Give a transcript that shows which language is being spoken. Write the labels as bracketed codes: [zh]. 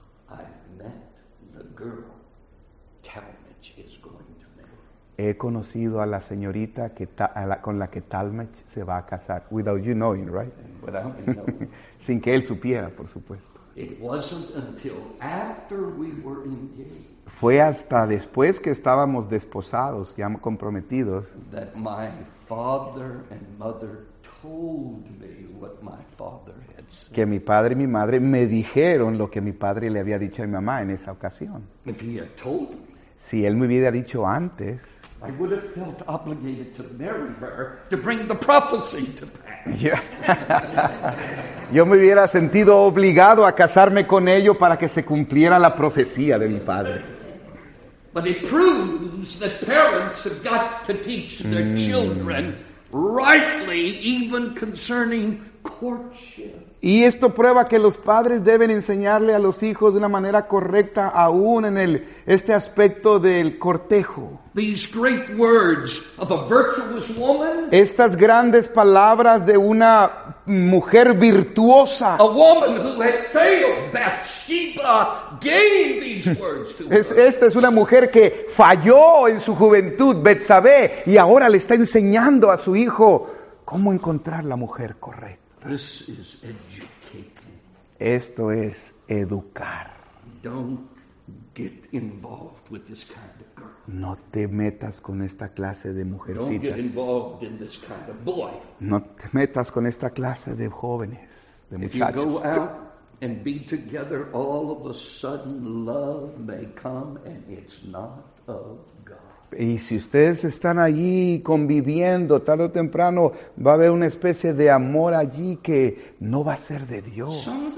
[en] I met the girl Talmadge is going to marry. [es] He conocido a la señorita que con la que Talmadge se va a casar. [en] Without you knowing, right? Without me knowing. [es] Sin que él supiera, por supuesto. [en] It wasn't until after we were engaged. [es] Fue hasta después que estábamos desposados, ya comprometidos, [en] that my father and mother told me what my father had said. [es] Que mi padre y mi madre me dijeron lo que mi padre le había dicho a mi mamá en esa ocasión. [en] If he had told me, [es] si él me hubiera dicho antes, [en] I would have felt obligated to marry her to bring the prophecy to pass. [es] Yo me hubiera sentido obligado a casarme con ello para que se cumpliera la profecía de mi padre. [en] But it proves that parents have got to teach their children rightly, even concerning courtship. [es] Y esto prueba que los padres deben enseñarle a los hijos de una manera correcta, aún en este aspecto del cortejo. [en] These great words of a virtuous woman. [es] Estas grandes palabras de una mujer virtuosa. [en] A woman who had failed, Bathsheba, gave these words to her. [es] Esta es una mujer que falló en su juventud, Betsabé, y ahora le está enseñando a su hijo cómo encontrar la mujer correcta. [en] This is educating. [es] Esto es educar. [en] Don't get involved with this kind of girl. [es] No te metas con esta clase de mujercitas. [en] Don't get involved in this kind of boy. [es] No te metas con esta clase de jóvenes, de muchachos. [en] If you go out and be together, all of a sudden love may come and it's not of God. [es] Y si ustedes están allí conviviendo, tarde o temprano va a haber una especie de amor allí que no va a ser de Dios.